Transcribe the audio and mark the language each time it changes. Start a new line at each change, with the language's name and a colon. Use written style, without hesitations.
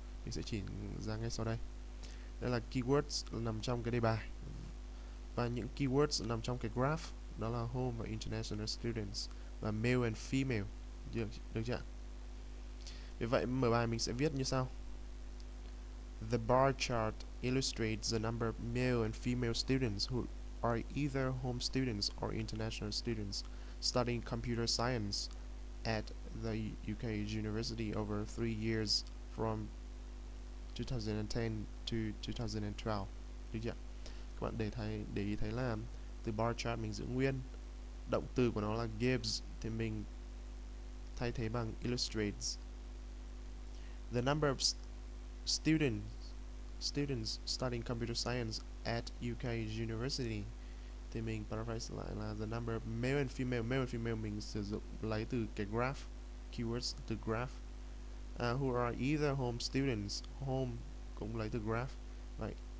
Vietnamese: Mình sẽ chỉ ra ngay sau đây. Đây là keywords nằm trong cái đề bài, và những keywords nằm trong cái graph đó là home và international students, và
English: male and female.
Vietnamese: Được chưa? Vì vậy mở bài mình sẽ viết như sau.
English: The bar chart illustrates the number of male and female students who are either home students or international students studying computer science at the UK university over 3 years from 2010 to 2012.
Vietnamese: Được chưa? Các bạn để ý thấy là từ bar chart mình giữ nguyên, động từ của nó là gives, thì mình thay thế bằng illustrates.
English: The number of students studying computer science at UK university,
Vietnamese: thì mình paraphrase lại là
English: the number of male and female,
Vietnamese: mình sử dụng lấy từ cái graph, keywords từ graph,
English: who are either home students,
Vietnamese: home cũng lấy từ graph,
English: right?